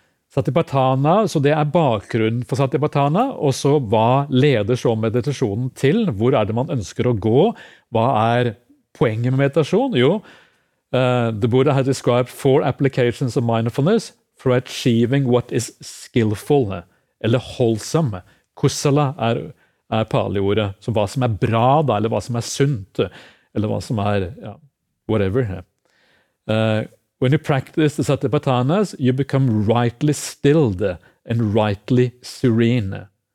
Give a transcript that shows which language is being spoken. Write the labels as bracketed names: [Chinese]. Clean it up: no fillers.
[Norwegian] Satipatthana, så det er bakgrunnen for Satipatthana, og så hva leder så meditasjonen til? Hvor er det man ønsker å gå? Hva er poenget med meditasjon? [English] Jo, the Buddha has described four applications of mindfulness for achieving what is skillful, eller wholesome. [Norwegian] Kusala er paliordet, så hva som er bra, da, eller hva som er sunt, eller hva som er, ja, whatever. [English] When you practice the Satipatthanas, you become rightly stilled and rightly serene.